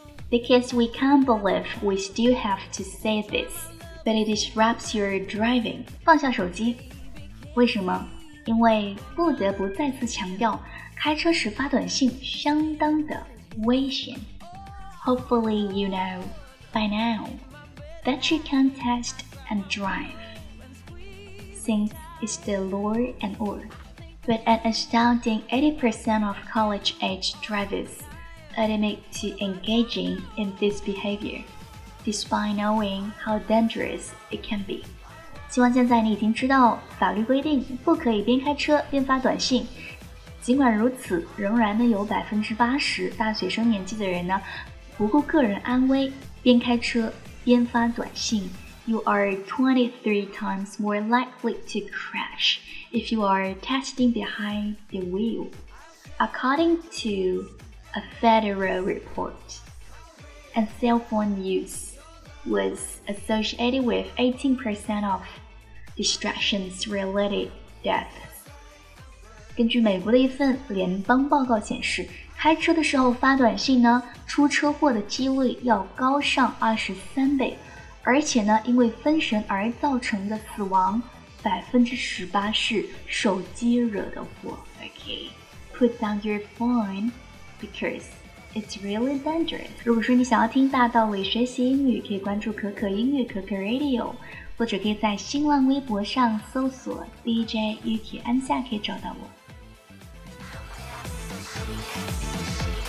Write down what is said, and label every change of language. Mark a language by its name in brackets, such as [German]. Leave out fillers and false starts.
[English] Because we can't believe we still have to say this, but it disrupts your driving. [Chinese] 放下手机，为什么？因为不得不再次强调，开车时发短信相当的危险。 [English] Hopefully you know by now that you can text and driveThink is the lure and all. But an astounding 80% of college-age drivers admit to engaging in this behavior, despite knowing how dangerous it can be. [Chinese] 希望现在你已经知道法律规定不可以边开车边发短信。尽管如此，仍然呢有 80% 大学生年纪的人呢不顾个人安危边开车边发短信。 [English] You are 23 times more likely to crash if you are texting behind the wheel, according to a federal report. And cell phone use was associated with 18% of distractions-related deaths. [Chinese] 根据美国的一份联邦报告显示，开车的时候发短信呢，出车祸的几率要高上23倍。而且呢，因为分神而造成的死亡，18%是手机惹的祸。 [English] Okay, put down your phone because it's really dangerous. [Chinese] 如果说你想要听大道理学习英语，可以关注可可英语可可 Radio， 或者可以在新浪微博上搜索 DJ 雨铁安夏，可以找到我。